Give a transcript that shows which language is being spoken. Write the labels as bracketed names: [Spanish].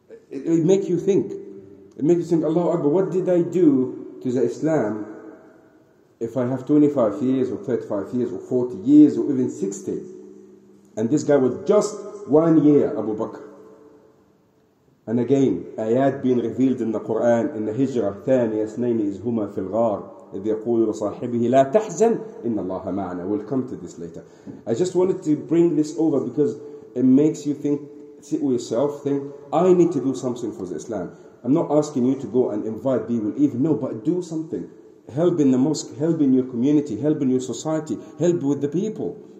[English] It make you think. It make you think, Allahu Akbar, what did I do to the Islam if I have 25 years or 35 years or 40 years or even 60? And this guy was just 1 year, Abu Bakr. And again, ayat being revealed in the Quran, in the hijrah, [Arabic] ثاني اثنين إذ هما في الغار إذ يقول لصاحبه لا تحزن إن الله معنا. [English] We'll come to this later. I just wanted to bring this over because it makes you think, sit with yourself, think, I need to do something for the Islam. I'm not asking you to go and invite people, even no, but do something. Help in the mosque, help in your community, help in your society, help with the people.